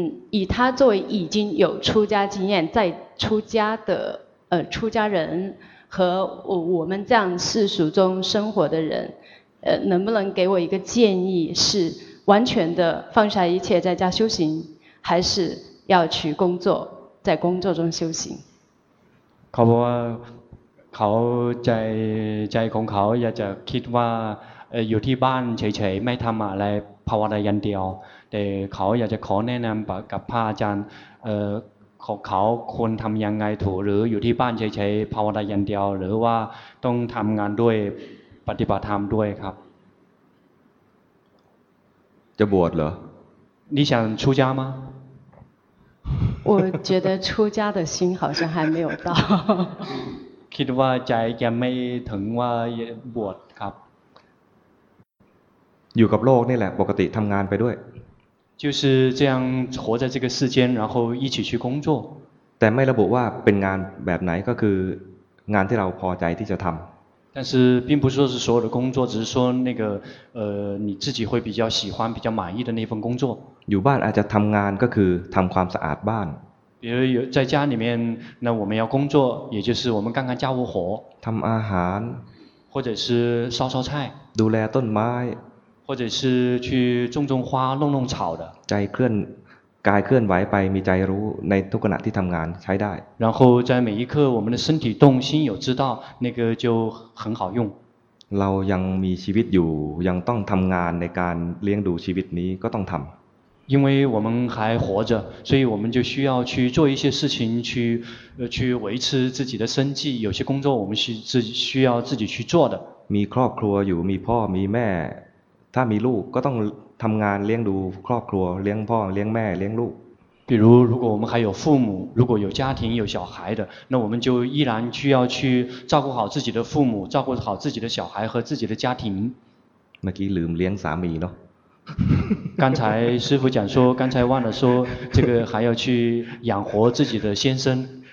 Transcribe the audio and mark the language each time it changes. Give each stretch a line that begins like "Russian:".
Chinese: 以他作为已经有出家经验在出家的出家人和我们这样世俗中生活的人能不能给我一个建议是完全的放下一切在家修行还是要去工作在工作中修行
Thai: เขาบอกว่าเขาใจของเขาอยากจะคิดว่าอยู่ที่บ้านเฉยๆไม่ทำอะไรภาวนาอย่างเดียวแต่เขาอยากจะขอแนะนำกับพระอาจารย์ของเขาควรทำยังไงถูกหรืออยู่ที่บ้านเฉยๆภาวนาอย่างเดียวหรือว่าต้องทำงานด้วยปฏิบัติธรรมด้วยครับ จะบวชเหร
Chinese: อ你想出家吗我觉得出家的心好像还没有到
Thai: คิดว่าใจยังไม่ถึงว่าบวชครับ อยู่กับโลกนี่แหละปกติทำงานไปด้วย
Chinese: 就是这样活在这个世间然后一起去工作
Thai: แต่ไม่ระบุว่าเป็นงานแบบไหนก็คืองานที่เราพอใจที่จะทำ
Chinese: 但是并不说是所有的工作只是说那个你自己会比较喜欢比较满意的那份工作
Thai: อยู่บ้านอาจจะทำงานก็คือทำความสะอาดบ้าน
Chinese: 比如有在家里面那我们要工作也就是我们干干家务活
Thai: ทำอาหาร
Chinese: 或者是烧烧菜
Thai: ดูแลต้นไม้
Chinese: 或者是去种种花弄弄草的
Thai: ใจเคลื่อนกายเคลื่อนไหวไปมีใจรู้ในทุกขณะที่ทำงานใช้ได้
Chinese: 然后在每一刻我们的身体动心有知道那个就很好用
Thai: เรายังมีชีวิตอยู่ยังต้องทำงานในการเลี้ยงดูชีวิตนี้ก็ต้องทำ
Chinese: 因为我们还活着所以我们就需要去做一些事情去维持自己的生计有些工作我们需要自己去做的
Thai: มีครอบครัวอยู่มีพ่อมีแม่ถ้ามีลูกก็ต้องทำงานเลี้ยงดูครอบครัวเลี้ยงพ่อเลี้ยงแม่เลี้ยงลูก
Chinese: 比如如果我们还有父母如果有家庭有小孩的那我们就依然需要去照顾好自己的父母照顾好自己的小孩和自己的家庭
Thai: เมื่อกี้ลืมเลี้ยงสามีเนาะ
Chinese: 刚才师父讲说刚才忘了说这个还要去养活自己的先生